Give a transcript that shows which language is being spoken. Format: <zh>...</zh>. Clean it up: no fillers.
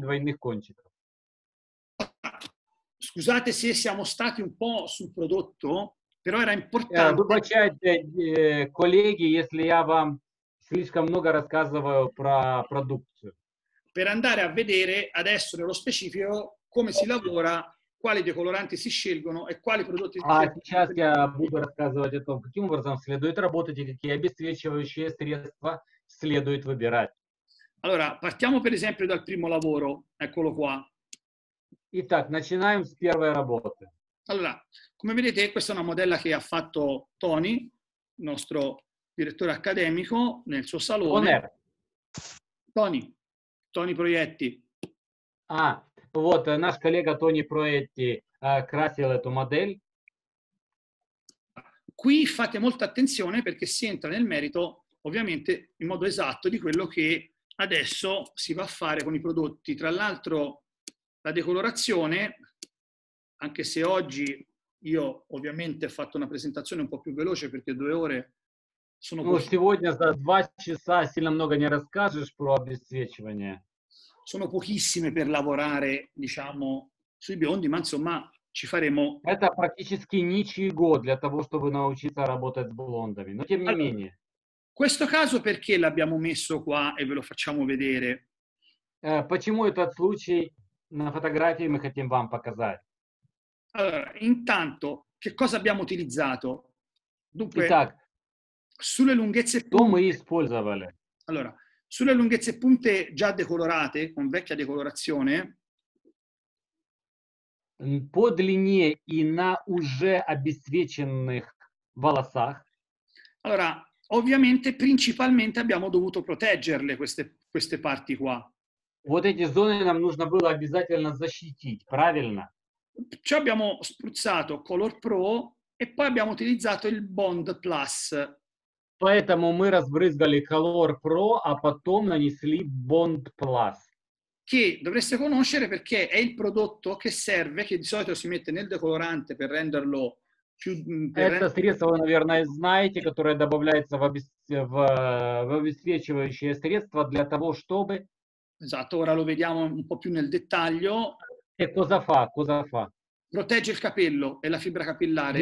<ru>двойных кончиков.</ru> <it>Scusate se siamo stati un po' sul prodotto, però era importante.</it> <ru>Выбачайте, коллеги, если я вам слишком много рассказываю про продукцию.</ru> <it>Per andare a vedere adesso nello specifico come si lavora, quali decoloranti si scelgono e quali prodotti.</it> <ru>Сейчас я буду рассказывать о том, каким образом следует работать и какие обесцвечивающие средства следует выбирать.</ru> <it>Allora, partiamo per esempio dal primo lavoro, eccolo qua.</it> <ru>Итак, начинаем с первой работы.</ru> <it>Allora, come vedete, questa è una modella che ha fatto Tony, nostro direttore accademico, nel suo salone. Tony Proietti.</it> <ru>Ah, вот, наш коллега Тони Проетти красил эту модель.</ru> <it>Qui fate molta attenzione perché si entra nel merito, ovviamente, in modo esatto di quello che adesso si va a fare con i prodotti. Tra l'altro, la decolorazione, anche se oggi io ovviamente ho fatto una presentazione un po' più veloce perché due ore sono...</it> <ru>Ну, сегодня за два часа сильно много не расскажешь про обесцвечивание.</ru> <it>Sono pochissime per lavorare, diciamo, sui biondi, ma insomma ci faremo...</it> <ru>Это практически ничего для того, чтобы научиться работать с блондами, но тем не менее.</ru> <it>Questo caso perché l'abbiamo messo qua e ve lo facciamo vedere?</it> <ru>Почему этот случай на фотографии мы хотим вам показать?</ru> <it>Allora, intanto, che cosa abbiamo utilizzato? Dunque,</it> <ru>Итак,</ru> <it>sulle lunghezze... Come</it> <ru>использовали?</ru> <it>Allora, sulle lunghezze punte già decolorate, con vecchia decolorazione...</it> <ru>По длине и на уже обесцвеченных волосах...</ru> <it>Allora... Ovviamente, principalmente abbiamo dovuto proteggerle queste parti qua.</it> <ru>Вот эти зоны нам нужно было обязательно защитить, правильно?</ru> <it>Ci abbiamo spruzzato Color Pro e poi abbiamo utilizzato il Bond Plus.</it> <ru>Поэтому мы разбрызгали Color Pro, а потом нанесли Bond Plus.</ru> <it>Che dovreste conoscere perché è il prodotto che serve, che di solito si mette nel decolorante per renderlo...</it> <ru>Это средство, вы, наверное, знаете, которое добавляется в обесцвечивающее средство для того, чтобы...</ru> <it>Esatto, ora lo vediamo un po' più nel dettaglio. E cosa fa? Cosa fa? Protegge il capello e la fibra capillare.</it>